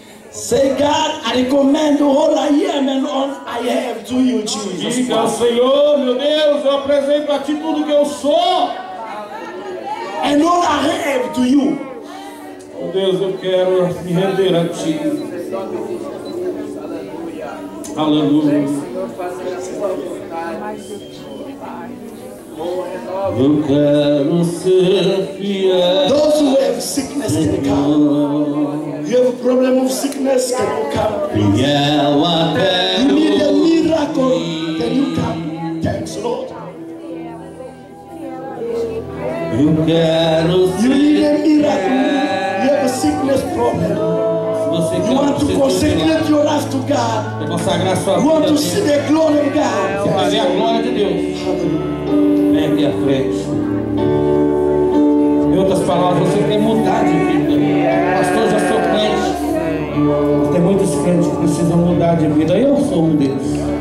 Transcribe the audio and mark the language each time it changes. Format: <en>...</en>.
<en>Say, God, I recommend all I am and all I have to you, Jesus.</en> <pt>Diga, Senhor, meu Deus, eu apresento a Ti tudo que eu sou.</pt> <en>And all I have to you.</en> <pt>Oh, Deus, eu quero me render a Ti. Aleluia. Eu quero ser fiel.</pt> <en>Those who have sickness can come. You have a problem of sickness, can you come?</en> <pt>Fiel até</pt> <en>you need a miracle, can you come? Thanks, Lord.</en> <pt>Eu quero ser fiel.</pt> <en>You need a miracle. You have a sickness problem.</en> <pt>Você</pt> <en>you want to consecrate your life to God.</en> <pt>Consagrar sua</pt> <en>you want to see the glory of God.</en> <pt>Você vai ver a glória de Deus. Vem aqui à frente. Em outras palavras, você quer mudar de vida. Pastor, já sou crente. Tem muitos crentes que precisam mudar de vida. Eu sou um deles.</pt>